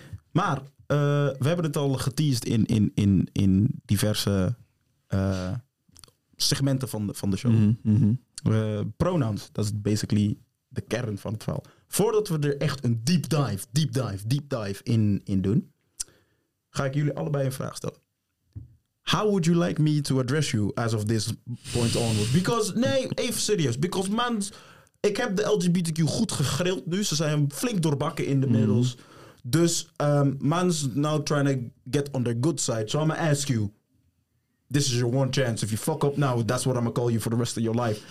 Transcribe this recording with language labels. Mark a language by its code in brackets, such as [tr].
[nl] Maar we hebben het al geteased in diverse segmenten van de show. Mm-hmm. Pronouns, dat is basically de kern van het verhaal. Voordat we er echt een deep dive in doen, ga ik jullie allebei een vraag stellen. [en] How would you like me to address you as of this point onward? Because man, [nl] ik heb de LGBTQ goed gegrild nu. Ze zijn flink doorbakken in de middels. Dus [en] man's now trying to get on their good side. So I'm gonna ask you. This is your one chance. If you fuck up now, that's what I'm gonna call you for the rest of your life.